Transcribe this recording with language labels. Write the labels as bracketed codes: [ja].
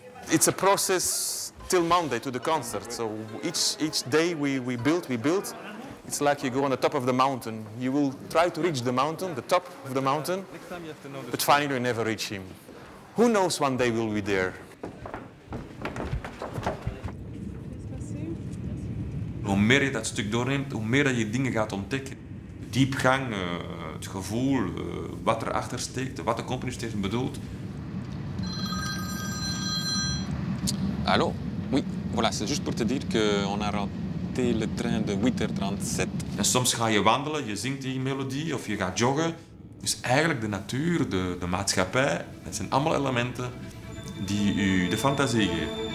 [en] It's a process till Monday to the concert, so each day we build. It's like you go on the top of the mountain. You will try to reach the mountain, the top of the mountain, but finally you never reach him. Who knows one day we'll be there? [nl] Hoe meer je dat stuk doorneemt, hoe meer je dingen gaat ontdekken. Diepgang, het gevoel, wat erachter steekt, wat de componist heeft bedoeld. Hallo? [fr] Oui, voilà, c'est juste pour te dire que on a de trein de 8:37. [nl] En soms ga je wandelen, je zingt die melodie of je gaat joggen. Dus eigenlijk de natuur, de maatschappij, dat zijn allemaal elementen die u de fantasie geven.